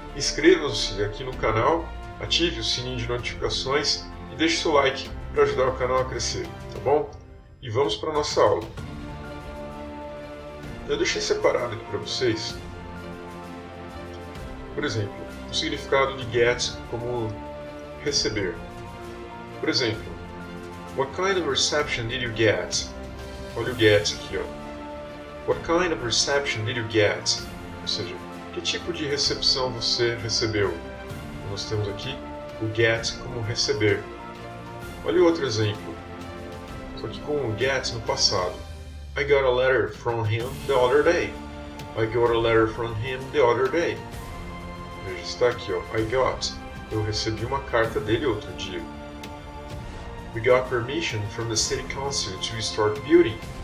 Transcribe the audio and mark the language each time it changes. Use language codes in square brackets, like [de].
[pt] Inscrevam-se aqui no canal, ative o sininho de notificações e deixe seu like para ajudar o canal a crescer, tá bom? E vamos para a nossa aula. Eu deixei separado aqui para vocês, por exemplo, o significado de get como receber. [en] Por exemplo, what kind of reception did you get? [pt] Olha o get aqui, ó. [en] What kind of reception did you get? [pt] Ou seja, que tipo de recepção você recebeu? Nós temos aqui o get como receber. Olha outro exemplo, só que com o get no passado. [en] I got a letter from him the other day. I got a letter from him the other day. [pt] Veja, está aqui, ó. [en] I got. [pt] Eu recebi uma carta dele outro dia. [en] We got permission from the city council to start building.